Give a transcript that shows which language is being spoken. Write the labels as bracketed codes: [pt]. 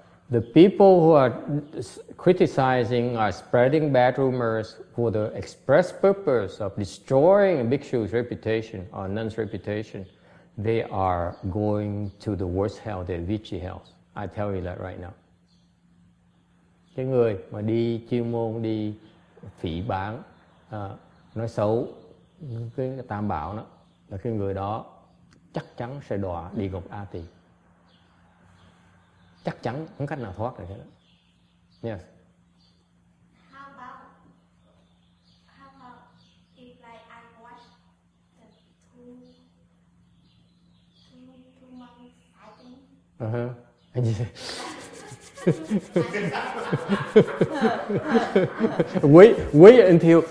[en] The people who are criticizing are spreading bad rumors for the express purpose of destroying a bhikshu's reputation or nun's reputation. They are going to the worst hell, the Avicii hell. I tell you that right now. [vi] Cái người mà đi chuyên môn đi phỉ báng, nói xấu cái Tam Bảo đó, là cái người đó chắc chắn sẽ đọa địa ngục A Tỳ. Chắc chắn không cách nào thoát được hết. [en] Yes. How about if like I watch the two monkeys fighting?